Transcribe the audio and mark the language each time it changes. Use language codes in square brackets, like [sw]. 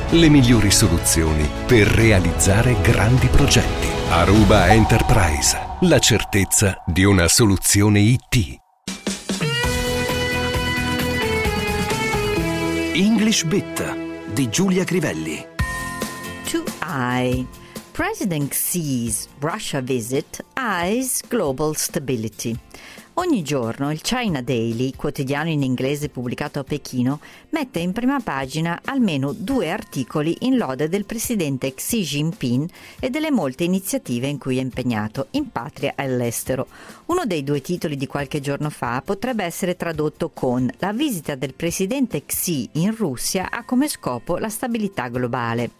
[it] Le migliori soluzioni per realizzare grandi progetti. Aruba Enterprise, la certezza di una soluzione IT. English Bit di Giulia Crivelli. To I. [en] President Xi's Russia visit eyes global stability. [it] Ogni giorno il China Daily, quotidiano in inglese pubblicato a Pechino, mette in prima pagina almeno due articoli in lode del presidente Xi Jinping e delle molte iniziative in cui è impegnato, in patria e all'estero. Uno dei due titoli di qualche giorno fa potrebbe essere tradotto con «La visita del presidente Xi in Russia ha come scopo la stabilità globale».